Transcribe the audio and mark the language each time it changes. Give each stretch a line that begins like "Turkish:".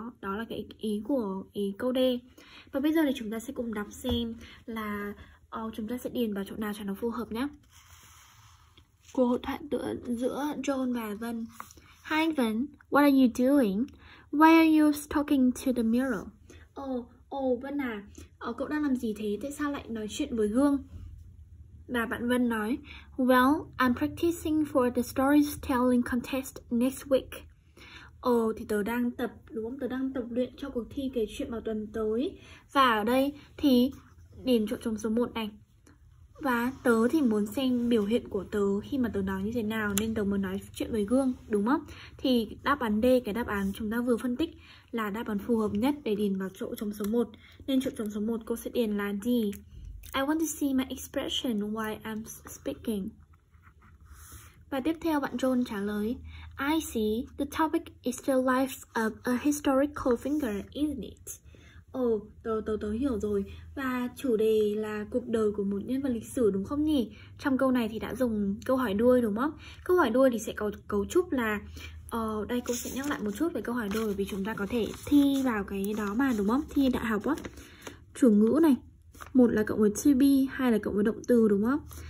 Vietnamese: Đó là cái ý câu D. Và bây giờ thì chúng ta sẽ cùng đọc xem là chúng ta sẽ điền vào chỗ nào cho nó phù hợp nhé. Cuộc hội thoại giữa John và Vân.
English: Hi Vân, what are you doing? Why are you talking to the mirror?
Vietnamese: Vân à, cậu đang làm gì thế? Tại sao lại nói chuyện với gương? Và bạn Vân nói,
English: well, I'm practicing for the storytelling contest next week.
Vietnamese: Thì tớ đang tập, đúng không? Tớ đang tập luyện cho cuộc thi kể chuyện vào tuần tới. Và ở đây thì điền chỗ trống số 1 này. Và tớ thì muốn xem biểu hiện của tớ khi mà tớ nói như thế nào, nên tớ muốn nói chuyện với gương, đúng không? Thì đáp án D, cái đáp án chúng ta vừa phân tích, là đáp án phù hợp nhất để điền vào chỗ trống số 1. Nên chỗ trống số 1 cô sẽ điền là D.
English: I want to see my expression while I'm speaking.
Vietnamese: Và tiếp theo bạn John trả lời,
English: I see the topic is the life of a historical figure, isn't it?
Vietnamese: Tớ hiểu rồi. Và chủ đề là cuộc đời của một nhân vật lịch sử đúng không nhỉ? Trong câu này thì đã dùng câu hỏi đuôi đúng không? Câu hỏi đuôi thì sẽ có cấu trúc là đây cô sẽ nhắc lại một chút về câu hỏi đuôi, vì chúng ta có thể thi vào cái đó mà đúng không? Thi đại học á. Chủ ngữ này, một là cộng với to be, hai là cộng với động từ đúng không?